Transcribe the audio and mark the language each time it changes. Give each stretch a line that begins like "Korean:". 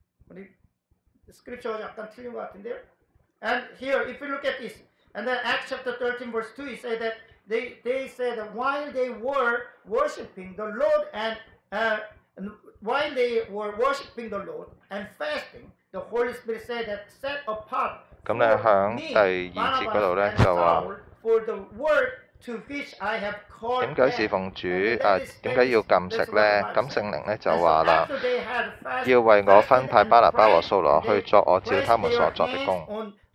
Korean: 우리 스크립처가 약간 틀린 것 같은데요.
English: And here, if you look at this, and then Acts chapter 13 verse 2, it said that they said that while they were worshiping the Lord and fasting, the Holy Spirit said that set apart for me, Barnabas and Saul for the work. to which I have called them.
Cantonese: 點解侍奉主啊？點解要禁食咧？咁聖靈咧就話啦，要為我分派巴拿巴和掃羅去作我照他們所作的工。